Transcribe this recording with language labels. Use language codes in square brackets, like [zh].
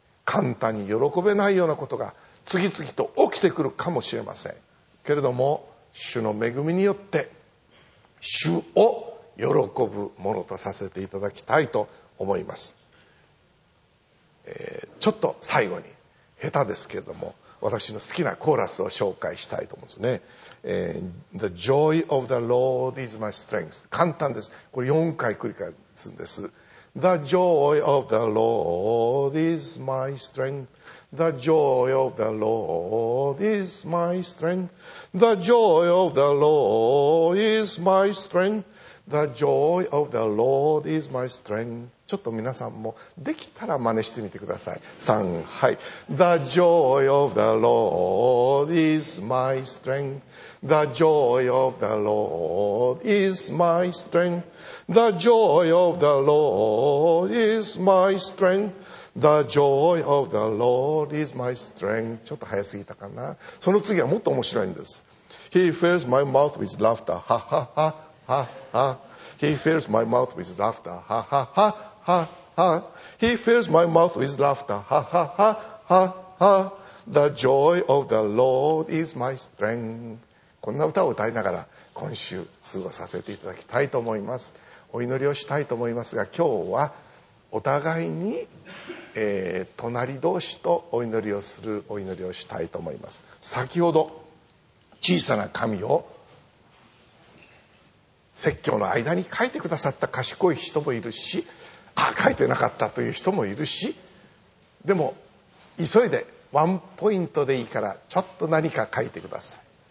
[ja] 簡単に喜べないようなことが次々と起きてくるかもしれませんけれども、主の恵みによって主を喜ぶものとさせていただきたいと思います。ちょっと最後に、下手ですけれども、私の好きなコーラスを紹介したいと思うんですね。 [en] The joy of the Lord is my strength. [ja] 簡単です。これ4回繰り返すんです。 [en] The joy of the Lord is my strength. The joy of the Lord is my strength. The joy of the Lord is my strength. The joy of the Lord is my strength. [ja] ちょっと皆さんもできたら真似してみてください。 3、はい。 [en] The joy of the Lord is my strength. The joy of the Lord is my strength. The joy of the Lord is my strength. The joy of the Lord is my strength. [ja] ちょっと早すぎたかな。その次はもっと面白いんです。 [en] He fills my mouth with laughter. Ha ha ha ha ha. He fills my mouth with laughter. Ha ha ha. Ha, ha. He fills my mouth with laughter. Ha, ha, ha, ha, ha. The joy of the Lord is my strength. [ja] こんな歌を歌いながら今週過ごさせていただきたいと思います。お祈りをしたいと思いますが、今日はお互いに、隣同士とお祈りをするお祈りをしたいと思います。先ほど小さな紙を説教の間に書いてくださった賢い人もいるし、書いてなかったという人もいるし、でも急いでワンポイントでいいからちょっと何か書いてください。